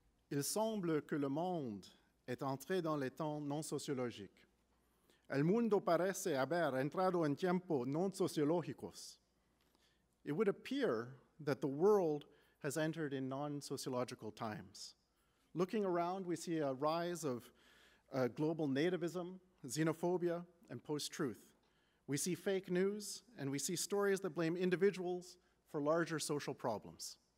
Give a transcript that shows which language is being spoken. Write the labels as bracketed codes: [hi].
[fr] Il semble que le monde est entré dans les temps non sociologiques. [es] El mundo parece haber entrado en tiempos non sociológicos. [en] It would appear that the world has entered in non-sociological times. Looking around, we see a rise of global nativism, xenophobia, and post-truth. We see fake news, and we see stories that blame individuals for larger social problems.